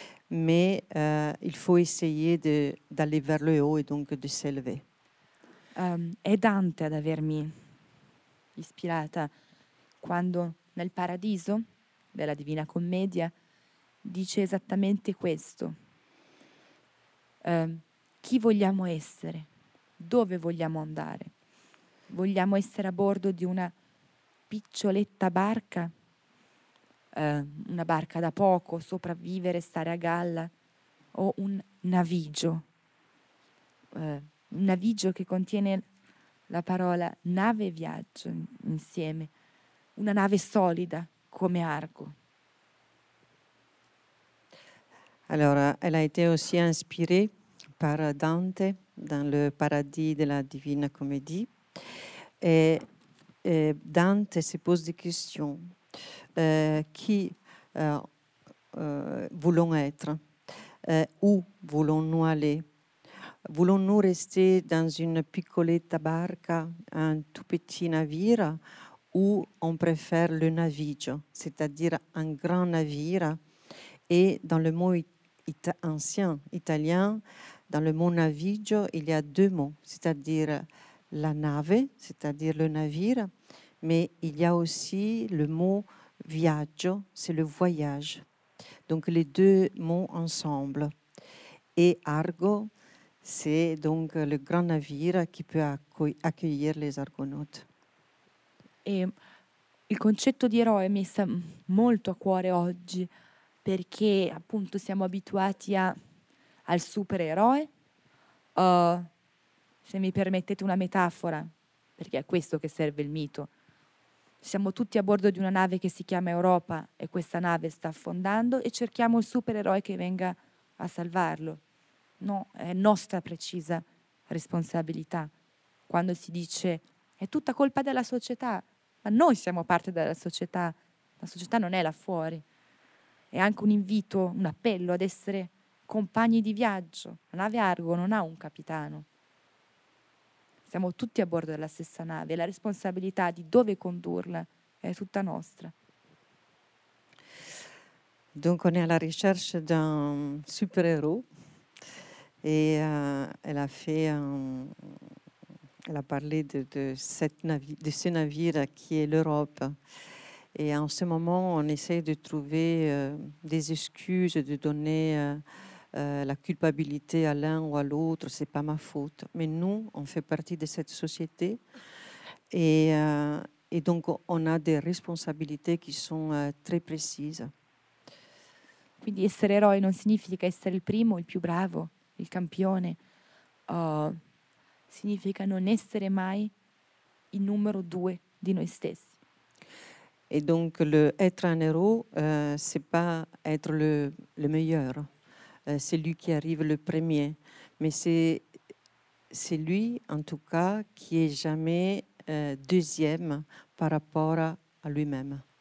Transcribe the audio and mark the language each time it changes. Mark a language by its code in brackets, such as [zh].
[fr] Mais il faut essayer d'aller vers le haut et donc de s'élever. [it] È Dante ad avermi ispirata quando nel Paradiso della Divina Commedia dice esattamente questo. Chi vogliamo essere? Dove vogliamo andare? Vogliamo essere a bordo di una piccioletta barca? Una barca da poco, sopravvivere, stare a galla? O un navigio? Un navigio che contiene la parola nave e viaggio insieme, una nave solida come Argo. [fr] Allora, elle a été aussi inspirée par Dante dans le paradis de la Divine Comédie. Et Dante se pose des questions. Voulons être? Où voulons-nous aller? Voulons-nous rester dans une piccoletta barca, un tout petit navire, ou on préfère le navigio, c'est-à-dire un grand navire. Et dans le mot ancien italien, dans le mot navigio, il y a deux mots, c'est-à-dire la nave, c'est-à-dire le navire, mais il y a aussi le mot viaggio, c'est le voyage. Donc les deux mots ensemble. Et Argo, c'est donc le grand navire qui peut accueillir les argonautes. [it] Et il concetto di eroe mi sta molto a cuore oggi, perché appunto siamo abituati al supereroe. Se mi permettete una metafora, perché è questo che serve il mito. Siamo tutti a bordo di una nave che si chiama Europa e questa nave sta affondando e cerchiamo il supereroe che venga a salvarlo. No, è nostra precisa responsabilità. Quando si dice è tutta colpa della società, ma noi siamo parte della società, la società non è là fuori. È anche un invito, un appello ad essere compagni di viaggio. La nave Argo non ha un capitano. Siamo tutti a bordo della stessa nave, la responsabilità di dove condurla è tutta nostra. [fr] Dunque, on est à la recherche d'un super-héros et elle a fait elle a parlé de ce navire qui est l'Europe. Et en ce moment, on essaie de trouver des excuses, de donner la culpabilité à l'un ou à l'autre, c'est pas ma faute. Mais nous, on fait partie de cette société et donc on a des responsabilités qui sont très précises. [it] Quindi essere eroe non significa essere il primo, il più bravo, il campione. Significa non essere mai il numero due di noi stessi. [fr] Et donc le être un héros, c'est pas être le meilleur. C'est lui qui arrive le premier, mais c'est lui, en tout cas, qui est jamais deuxième par rapport à lui-même.